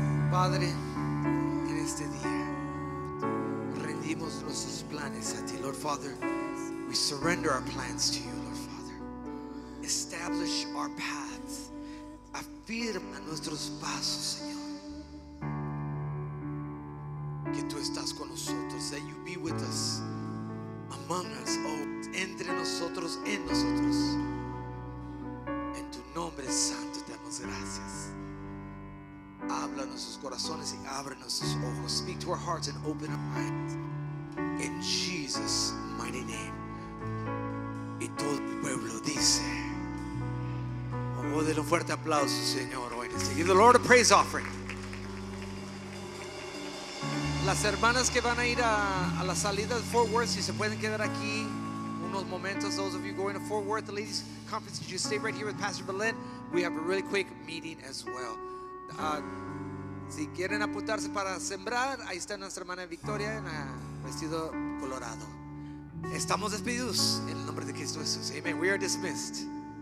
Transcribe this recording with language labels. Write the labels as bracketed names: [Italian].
[Spanish] Padre, en este día rendimos nuestros planes a ti, [English] Lord Father. We surrender our plans to you, Lord Father. Establish our paths. [Spanish] Afirma nuestros pasos, Señor. Que tú estás con nosotros. [English] That you be with us, among us, [Spanish] oh, entre nosotros, en nosotros. En tu nombre santo te damos gracias. Habla nuestros corazones y abre nuestros ojos. [English] Speak to our hearts and open our minds. In Jesus' mighty name. [Spanish] Y todo el pueblo dice. Oh, denle un fuerte aplauso, Señor. [English] Give the Lord a praise offering. [Spanish] Las hermanas que van a ir a la salida de Fort Worth, si se pueden quedar aquí unos momentos. [English] Those of you going to Fort Worth, the ladies' conference, you stay right here with Pastor Belen. We have a really quick meeting as well. [Spanish] Si quieren apuntarse para sembrar, ahí está nuestra hermana Victoria en vestido colorado. Estamos despedidos en el nombre de Cristo Jesús. Amen. [English] We are dismissed.